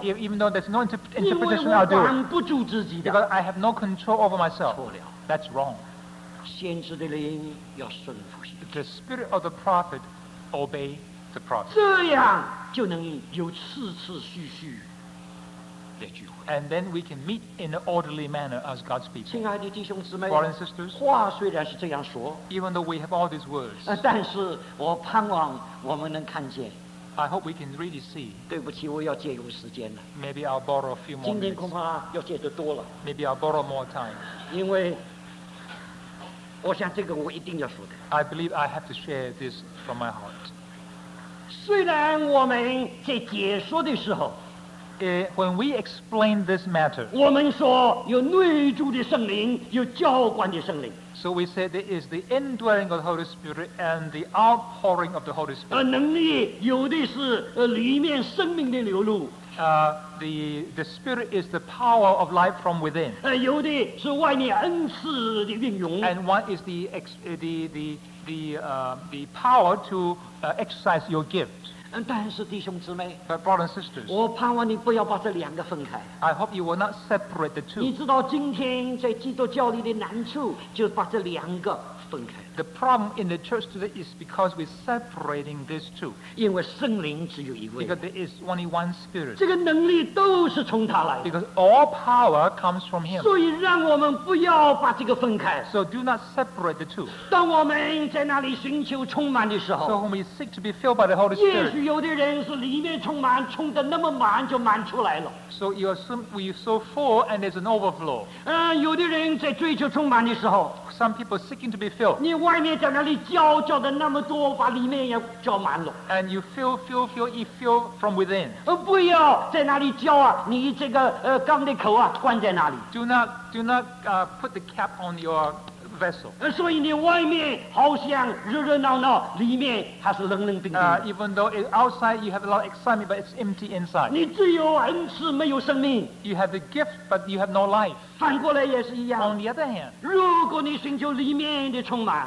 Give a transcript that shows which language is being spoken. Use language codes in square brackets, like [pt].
[en] If, even though there's no interpretation, I'll do. [zh] 因为我管不住自己的。 [en] Because I have no control over myself. [zh] 错了。 [en] That's wrong. [zh] 先知的灵要顺服先知。 [en] The spirit of the prophet obey the prophet. [zh] 这样就能有次次续续的聚会。 [en] And then we can meet in an orderly manner as God's people. [zh] 亲爱的弟兄姊妹, [en] brothers and sisters, [zh] 话虽然是这样说, [en] even though we have all these words, [zh] 但是我盼望我们能看见, [en] I hope we can really see. [zh] 对不起, 我要借用时间了, [en] maybe I'll borrow a few more minutes. [zh] 今天恐怕要借得多了, [en] maybe I'll borrow more time. [zh] 因为我想这个我一定要说的, [en] I believe I have to share this from my heart. [zh] 虽然我们在解说的时候, [en] When we explain this matter, [zh] 我们说有内住的圣灵，有浇灌的圣灵。 [en] So we say there is the indwelling of the Holy Spirit and the outpouring of the Holy Spirit. [zh] 能力有的是里面生命的流露。 [en] The Spirit is the power of life from within. [zh] 有的是外面恩赐的运用。 [en] And one is the power to exercise your gift. [zh] 但是弟兄姊妹 [en] But brothers and sisters, [zh] 我盼望你不要把这两个分开 [en] I hope you will not separate the two [zh] 你知道今天在基督教里的难处就把这两个分开 [en] The problem in the church today is because we're separating these two [zh] 因为圣灵只有一位 [en] Because there is only one spirit [zh] 这个能力都是从他来的 [en] Because all power comes from him [zh] 所以让我们不要把这个分开 [en] So do not separate the two [zh] 当我们在那里寻求充满的时候 [en] So when we seek to be filled by the Holy Spirit [zh] 也许有的人是里面充满充得那么满就满出来了 [en] So you are so full and there's an overflow [zh] 有的人在追求充满的时候 [en] Some people seeking to be filled [zh] 你外面在那里浇浇的那么多把里面也浇满了 [en] And you fill you fill from within [zh] 不要在那里浇啊你这个缸的口啊灌在那里 [en] Do not put the cap on your vessel [zh] 所以你外面好像热热闹闹里面还是冷冷冰冰 [en] even though it, outside you have a lot of excitement but it's empty inside [zh] 你只有恩赐没有生命 [en] you have the gift but you have no life [zh] 反过来也是一样 [en] on the other hand [zh] 如果你寻求里面的充满